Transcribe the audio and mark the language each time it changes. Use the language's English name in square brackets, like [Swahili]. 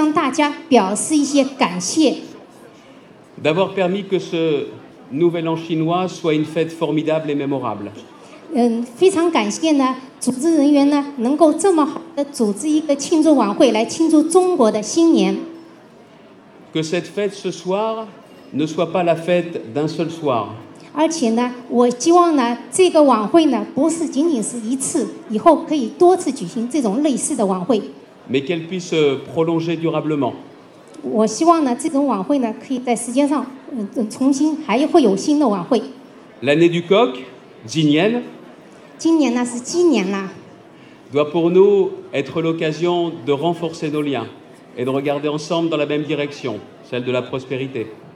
[Chinese] 然后呢，在我结束我的祝词以前呢，我呢想向大家表示一些感谢。 [French] D'avoir permis que ce nouvel an chinois soit une fête formidable et mémorable. [Chinese] 非常感谢呢，组织人员呢能够这么好的组织一个庆祝晚会来庆祝中国的新年。 [French] Que cette fête ce soir ne soit pas la fête d'un seul soir. [Chinese] 而且呢，我希望呢，这个晚会呢不是仅仅是一次，以后可以多次举行这种类似的晚会。 [French] Mais qu'elle puisse se prolonger durablement. [Chinese] 我希望呢，这种晚会呢可以在时间上，重新还会有新的晚会。 [French] L'année du coq, Jinian. [Chinese] 今年呢是鸡年了。 [French] Doit pour nous être l'occasion de renforcer nos liens et de regarder ensemble dans la même direction, celle de la prospérité.